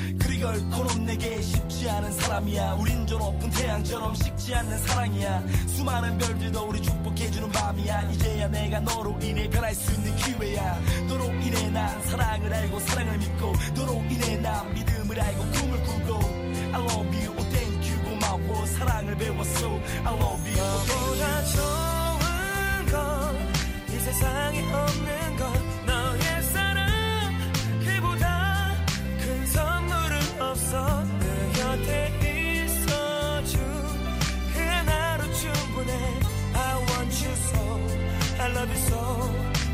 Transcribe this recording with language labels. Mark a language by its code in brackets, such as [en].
[ko] 그리 걸코록 내게 쉽지 않은 사람이야. 우린 저 높은 태양처럼 식지 않는 사랑이야. 수많은 별들도 우리 축복해주는 밤이야. 이제야 내가 너로 인해 변할 수 있는 기회야. 너로 인해 난 사랑을 알고 사랑을 믿고, 너로 인해 난 믿음을 알고 꿈을 꾸고. [en] I love you, oh thank you, [ko] 고마워. 사랑을 배웠어. [en] I love you, oh thank you. [ko] 너보다 좋은 건 이 세상에 없는 건 너의 사랑. 그보다 큰 선물은 없어. 내 곁에 있어준 그 하나로 충분해. [en] I want you so, I love you so.